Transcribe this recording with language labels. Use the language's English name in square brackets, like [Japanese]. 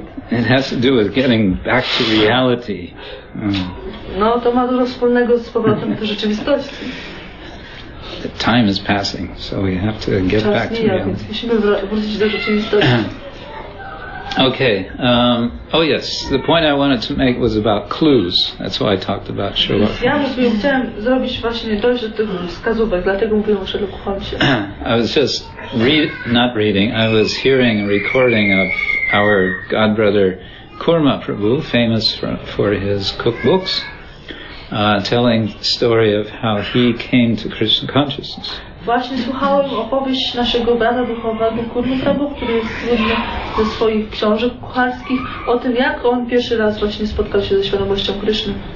[English] It has to do with getting back to reality. [Polish] No, to ma dużo wspólnego z powrotem do rzeczywistości. [English] The time is passing, so we have to get back to reality. [Polish] Musimy wrócić do rzeczywistości. [English] Okay. Oh yes, the point I wanted to make was about clues. That's why I talked about Sherlock. [Polish] Ja mówię, chciałem zrobić właśnie to, że tych wskazówek, dlatego mówię o Sherlock Holmesie. [English] I was just I was hearing a recording of our godbrother Kurma Prabhu, famous for his cookbooks, telling the story of how he came to Krishna consciousness. [Polish] Właśnie słuchałem opowieść naszego brata duchowego Kurmy Prabhu, który jest słynny ze swoich książek kucharskich, o tym, jak on pierwszy raz właśnie spotkał się ze świadomością Kryszny.